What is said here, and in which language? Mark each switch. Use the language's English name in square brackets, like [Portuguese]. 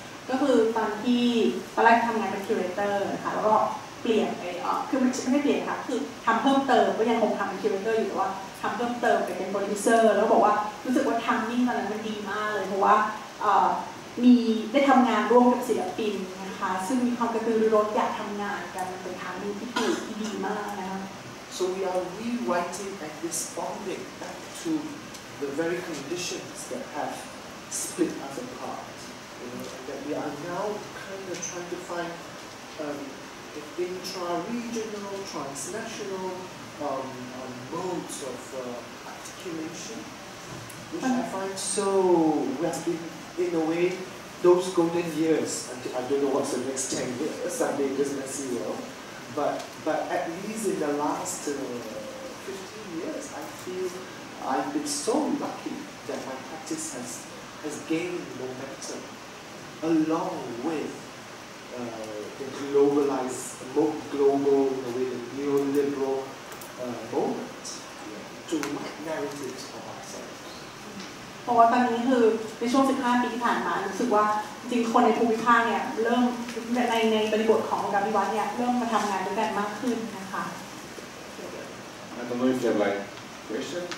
[Thai] ก็คือตอนที่ตอนแรกทำงานเป็นคิวเรเตอร์นะคะแล้วก็เปลี่ยนไปคือไม่เปลี่ยนค่ะคือทำเพิ่มเติมก็ยังคงทำเป็นคิวเรเตอร์อยู่แต่ว่าทำเพิ่มเติมไปเป็นโปรดิวเซอร์แล้วบอกว่ารู้สึกว่าทำนิ่งอะไรมันดีมากเลยเพราะว่ามีได้ทำงานร่วมกับศิลปินนะคะซึ่งมีความกระตือรือร้นอยากทำงานกันเป็นทางนิ่งที่ถูกที่ดีมากนะคะ [English] So we are rewriting and responding back to the very conditions that have split us apart. That we are now kind of trying to find intra-regional, transnational modes of articulation, which I find so. We have been, in a way, those golden years. I don't know what's the next 10 years. I may just not see well. But at least in the last 15 years, I feel I've been so lucky that my practice has gained momentum. Along with the global, in a way, the neoliberal moment to write narratives of ourselves. [Thai] เพราะว่าตอนนี้คือในช่วง15ปีที่ผ่านมารู้สึกว่าจริงคนในภูมิภาคเนี่ยเริ่มในบริบทของการวิวัฒน์เนี่ยเริ่มมาทำงานด้วยกันมากขึ้นนะคะ [English] I don't know if you have like question.